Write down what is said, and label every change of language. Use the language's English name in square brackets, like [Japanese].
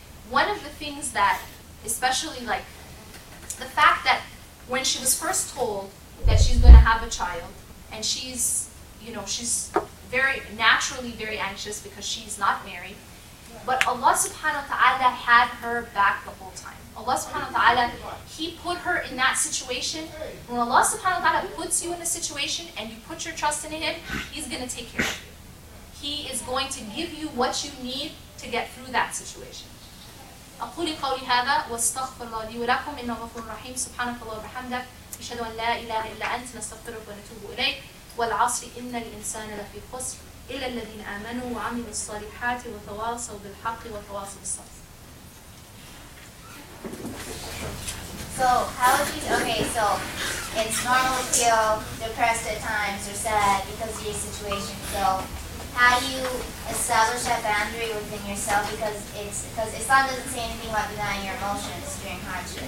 [English] One of the things that, especially like, the fact that when she was first told that she's going to have a child, and she's, you know, she's very, naturally very anxious because she's not married, but Allah subhanahu wa ta'ala had her back the whole time. Allah subhanahu wa ta'ala, He put her in that situation. When Allah subhanahu wa ta'ala puts you in a situation and you put your trust in Him, He's going to take care of you. He is going to give you what you need to get through that situation. [Arabic] أقول قولي هذا واستغفر الله لي ولكم إنه غفور رحيم سبحانك اللهم وبحمدك أشهد أن لا إله إلا أنت نستغفرك ونتوب إليك والعصر إن الإنسان لفي خسر إلا الذين آمنوا وعملوا الصالحات وتواصوا بالحق وتواصوا بالصبر. [English] So how did you, okay, so it's normal to feel depressed at times or sad because of your situation. So how do you establish that boundary within yourself? Because Islam doesn't say anything about denying your emotions during hardship.